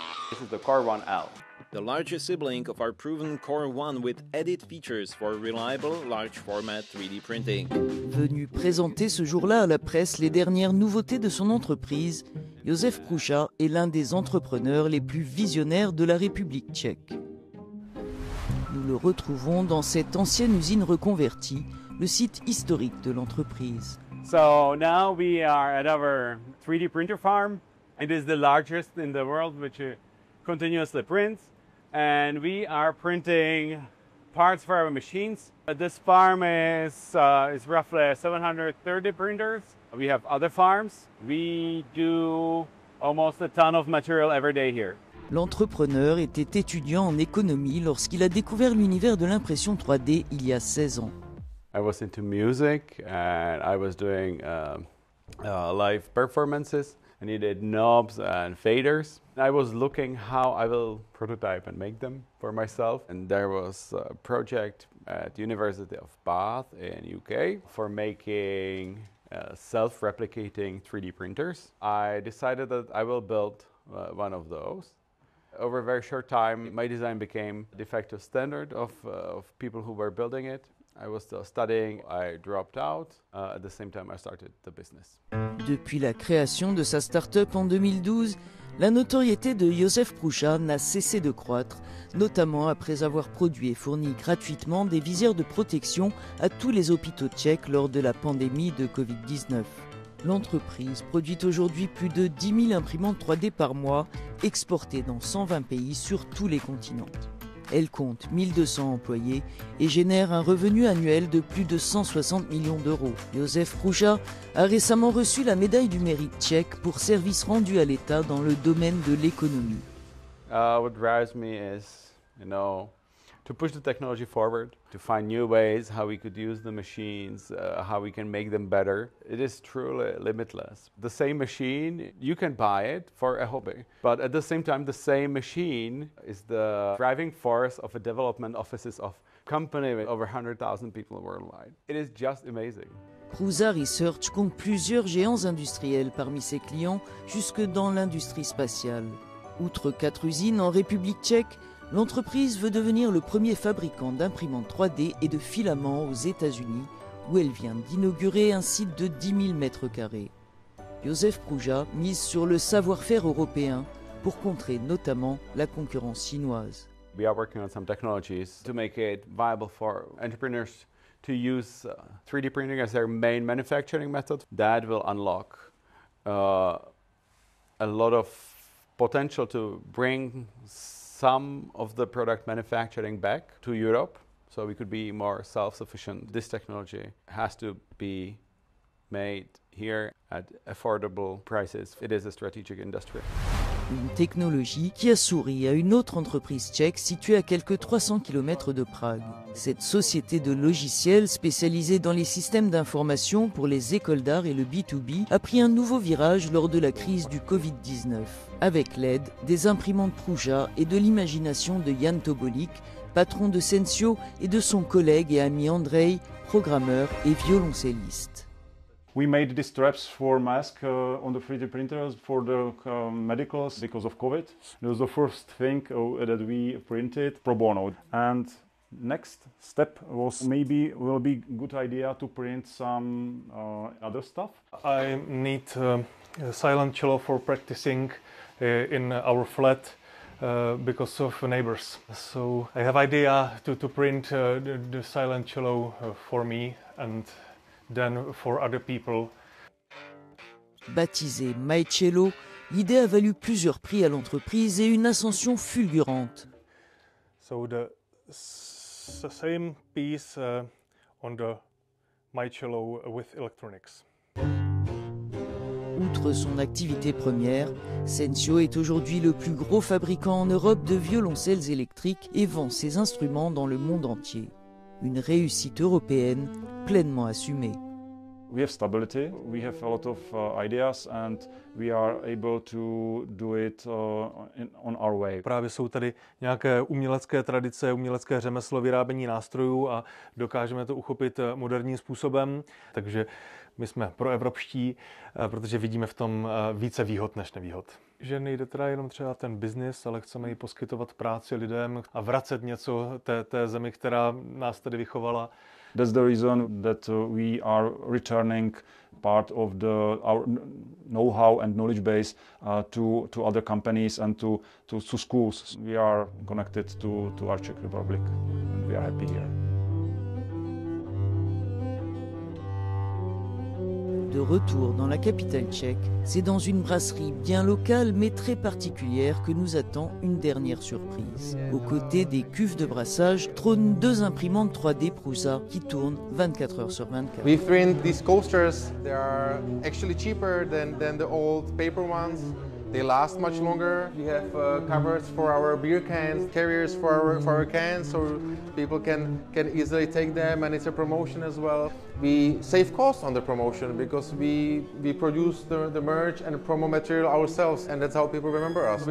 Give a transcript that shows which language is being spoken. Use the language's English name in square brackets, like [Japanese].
[English] This is the Core One L. The larger sibling of our proven Core One with added features for reliable large format 3D printing. [French] Venu présenter ce jour-là à la presse les dernières nouveautés de son entreprise, Josef Pruša est l'un des entrepreneurs les plus visionnaires de la République tchèque. Nous le retrouvons dans cette ancienne usine reconvertie, le site historique de l'entreprise. [English] So now we are at our 3D printer farm. It is the largest in the world, which continuously prints. And we are printing parts for our machines. This farm is roughly 730 printers. We have other farms. We do almost a ton of material every day here. [French] L'entrepreneur était étudiant en économie lorsqu'il a découvert l'univers de l'impression 3D il y a 16 ans. [English] I was into music and I was doing live performances. I needed knobs and faders. I was looking how I will prototype and make them for myself. And there was a project at the University of Bath in UK for making self-replicating 3D printers. I decided that I will build one of those. Over a very short time, my design became de facto standard of people who were building it. I was still studying, I dropped out, at the same time I started the business. [French] Depuis la création de sa start-up en 2012, la notoriété de Josef Pruša n'a cessé de croître, notamment après avoir produit et fourni gratuitement des visières de protection à tous les hôpitaux tchèques lors de la pandémie de Covid-19. L'entreprise produit aujourd'hui plus de 10 000 imprimantes 3D par mois, exportées dans 120 pays sur tous les continents. Elle compte 1200 employés et génère un revenu annuel de plus de 160 millions d'euros. Josef Pruša a récemment reçu la médaille du mérite tchèque pour service rendu à l'État dans le domaine de l'économie. [English] What drives me is, you know, to push the technology forward, to find new ways how we could use the machines, how we can make them better. It is truly limitless. The same machine, you can buy it for a hobby, but at the same time, the same machine is the driving force of a development offices of company with over 100,000 people worldwide. It is just amazing. [French] Pruša Research compte plusieurs géants industriels parmi ses clients, jusque dans l'industrie spatiale. Outre 4 usines en République tchèque, l'entreprise veut devenir le premier fabricant d'imprimantes 3D et de filaments aux États-Unis, où elle vient d'inaugurer un site de 10 000 mètres carrés. Josef Pruša mise sur le savoir-faire européen pour contrer notamment la concurrence chinoise. [English] We are working on some technologies to make it viable for entrepreneurs to use 3D printing as their main manufacturing method. That will unlock a lot of potential to bring some of the product manufacturing back to Europe, so we could be more self-sufficient. This technology has to be made here at affordable prices. It is a strategic industry. [French] Une technologie qui a souri à une autre entreprise tchèque située à quelques 300 km de Prague. Cette société de logiciels spécialisée dans les systèmes d'information pour les écoles d'art et le B2B a pris un nouveau virage lors de la crise du Covid-19. Avec l'aide des imprimantes Pruša et de l'imagination de Jan Tobolik, patron de Sensio, et de son collègue et ami Andrei, programmeur et violoncelliste. [English] We made these straps for masks on the 3D printers for the medicals because of COVID. It was the first thing that we printed pro bono. And next step was maybe will be good idea to print some other stuff. I need a silent cello for practicing in our flat because of neighbors. So I have idea to print the silent cello for me and then for other people. [French] Baptisé My Cello, l'idée a valu plusieurs prix à l'entreprise et une ascension fulgurante. [English] So the same piece on the My Cello with electronics. [French] Outre son activité première, Sensio est aujourd'hui le plus gros fabricant en Europe de violoncelles électriques et vend ses instruments dans le monde entier. Une réussite européenne pleinement assumée. [English] We have stability, we have a lot of ideas and we are able to do it on our way. [Czech] Právě jsou tady nějaké umělecké tradice, umělecké řemeslo vyrábění nástrojů a dokážeme to uchopit moderním způsobem. Takže my jsme proevropští, protože vidíme v tom více výhod než nevýhod. Že nejde teda jenom třeba ten biznis, ale chceme i poskytovat práci lidem a vracet něco té zemi, která nás tady vychovala. [English] That's the reason that we are returning part of our know-how and knowledge base to other companies and to schools. We are connected to our Czech Republic and we are happy here. [French] De retour dans la capitale tchèque, c'est dans une brasserie bien locale mais très particulière que nous attend une dernière surprise. Aux côtés des cuves de brassage trônent deux imprimantes 3D Prusa qui tournent 24 heures sur 24. [English] We've printed these coasters. They are actually cheaper than the old paper ones. They last much longer. We have covers for our beer cans, carriers for our cans, so people can easily take them, and it's a promotion as well. We save cost on the promotion because we produce the merch and promo material ourselves, and that's how people remember us.